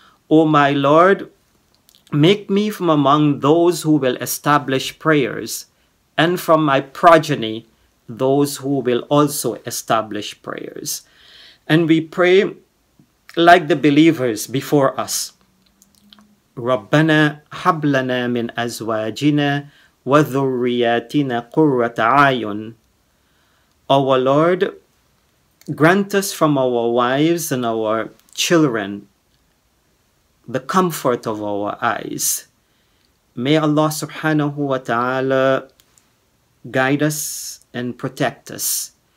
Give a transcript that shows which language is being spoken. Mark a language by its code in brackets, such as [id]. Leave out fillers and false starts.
[en] O my Lord, make me from among those who will establish prayers, and from my progeny, those who will also establish prayers. And we pray like the believers before us. [ar] ربنا هب لنا من أزواجنا وذرياتنا قرة أعين. [en] Our Lord, grant us from our wives and our children the comfort of our eyes. May Allah subhanahu wa ta'ala guide us and protect us.